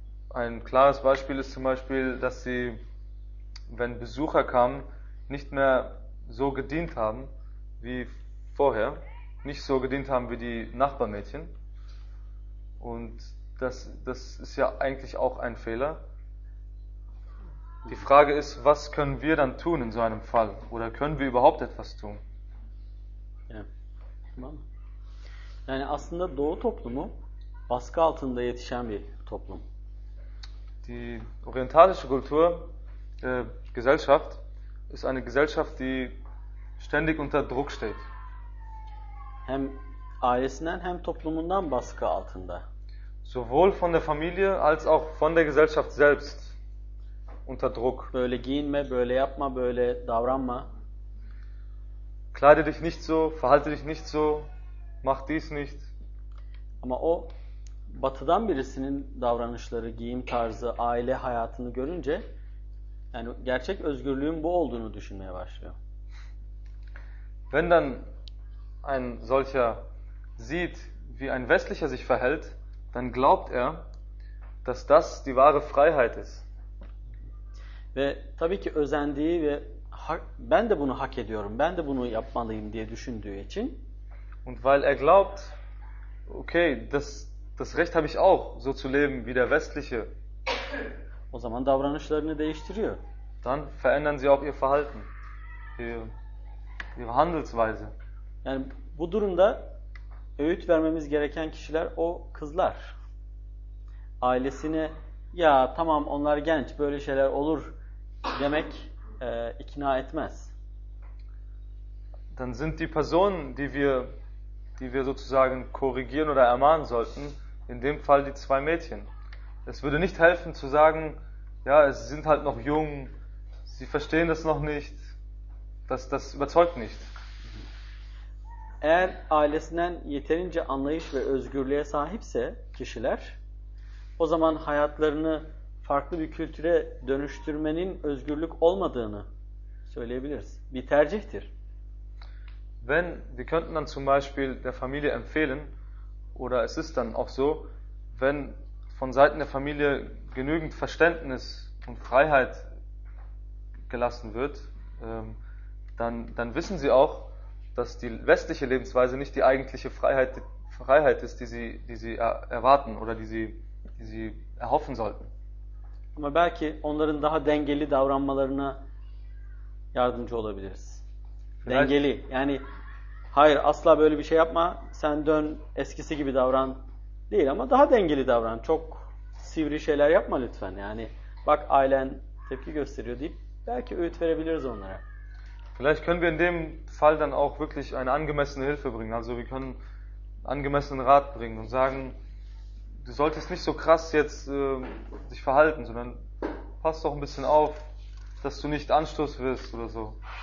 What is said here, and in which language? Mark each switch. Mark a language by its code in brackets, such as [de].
[de] Ein klares Beispiel ist zum Beispiel, dass sie, wenn Besucher kamen, nicht mehr so gedient haben wie vorher. Nicht so gedient haben wie die Nachbarmädchen. Und das ist ja eigentlich auch ein Fehler. Die Frage ist, was können wir dann tun in so einem Fall? Oder können wir überhaupt etwas tun? Ja. [tr] Tamam. Yani aslında Doğu toplumu baskı altında yetişen bir toplum. [de] Die orientalische Kultur, Gesellschaft, ist eine Gesellschaft, die ständig unter Druck steht. [tr] Hem ailesinden hem toplumundan baskı altında. [de] Sowohl von der Familie als auch von der Gesellschaft selbst. Unter Druck. [tr] Böyle giyinme, böyle yapma, böyle davranma. [de] Kleide dich nicht so, verhalte dich nicht so, mach dies nicht. [tr] Ama o batıdan birisinin davranışları, giyim tarzı, aile hayatını görünce yani gerçek özgürlüğün bu olduğunu düşünmeye başlıyor. [de] Wenn dann ein solcher sieht, wie ein westlicher sich verhält, dann glaubt er, dass das die wahre Freiheit ist. [tr] Ve tabii ki özendiği ve ben de bunu hak ediyorum, ben de bunu yapmalıyım diye düşündüğü için. [de] Und weil glaubt, okay, das Recht habe ich auch, so zu leben wie der Westliche. [tr] O zaman davranışlarını değiştiriyor. [de] Dann verändern sie auch ihr Verhalten, ihre Handelsweise. [tr] Yani bu durumda öğüt vermemiz gereken kişiler o kızlar. Ailesini ya tamam onlar genç böyle şeyler olur demek ikna etmez. [de] Dann sind die Personen, die wir sozusagen korrigieren oder ermahnen sollten, in dem Fall die zwei Mädchen. Es würde nicht helfen zu sagen, ja, sie sind halt noch jung, sie verstehen das noch nicht, das überzeugt nicht. [tr] Eğer ailesinden yeterince anlayış ve özgürlüğe sahipse kişiler, o zaman hayatlarını farklı bir kültüre dönüştürmenin özgürlük olmadığını söyleyebiliriz. Bir tercihtir. [de] Wenn wir könnten dann zum Beispiel der Familie empfehlen, oder es ist dann auch so, wenn von Seiten der Familie genügend Verständnis und Freiheit gelassen wird, dann wissen sie auch, dass die westliche Lebensweise nicht die eigentliche Freiheit ist, die sie erwarten oder die sie erhoffen sollten. [tr] Ama belki onların daha dengeli davranmalarına yardımcı olabiliriz. Dengeli. Yani hayır asla böyle bir şey yapma. Sen dön eskisi gibi davran. Değil ama daha dengeli davran. Çok sivri şeyler yapma lütfen. Yani bak ailen tepki gösteriyor deyip belki öğüt verebiliriz onlara. [de] Vielleicht können wir in dem Fall dann auch wirklich eine angemessene Hilfe bringen. Also wir können angemessenen Rat bringen und sagen, du solltest nicht so krass jetzt dich verhalten, sondern pass doch ein bisschen auf, dass du nicht Anstoß wirst oder so.